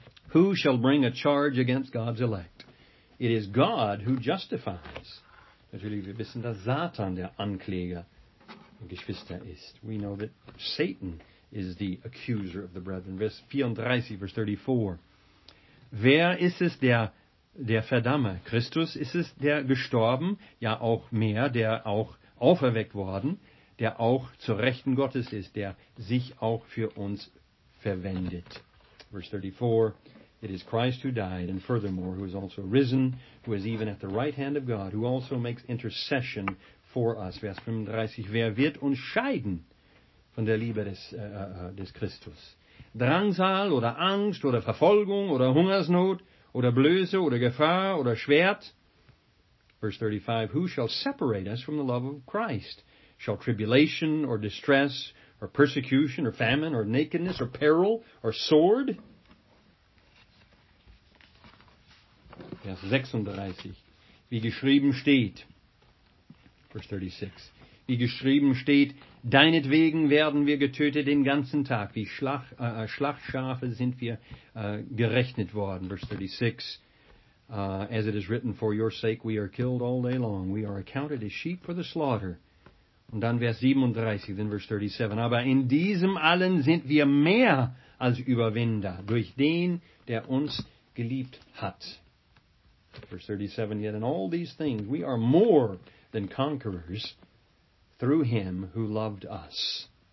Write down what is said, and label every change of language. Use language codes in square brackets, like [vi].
[en] Who shall bring a charge against God's elect? It is God who justifies. [de] Natürlich, wir wissen, dass Satan der Ankläger und Geschwister ist. [en] We know that Satan is the accuser of the brethren. [de] Vers 34, Vers 34. Wer ist es, der Verdammer? Christus ist es, der gestorben, ja auch mehr, der auch auferweckt worden, der auch zur Rechten Gottes ist, der sich auch für uns verwendet. [en] Verse 34. It is Christ who died, and furthermore, who is also risen, who is even at the right hand of God, who also makes intercession for us. [de] Vers 35. Wer wird uns scheiden von der Liebe des Christus? Drangsal oder Angst oder Verfolgung oder Hungersnot oder Blöße oder Gefahr oder Schwert? [en] Verse 35. Who shall separate us from the love of Christ? Shall tribulation or distress or persecution or famine or nakedness or peril or sword? [de] Vers 36, wie geschrieben steht, Vers 36, wie geschrieben steht, deinetwegen werden wir getötet den ganzen Tag, wie Schlachtschafe sind wir gerechnet worden. [en] Vers 36, as it is written, for your sake we are killed all day long, we are accounted as sheep for the slaughter. [de] Und dann Vers 37, dann Vers 37, aber in diesem allen sind wir mehr als Überwinder, durch den, der uns geliebt hat. [en] Verse 37, yet in all these things we are more than conquerors through him who loved us.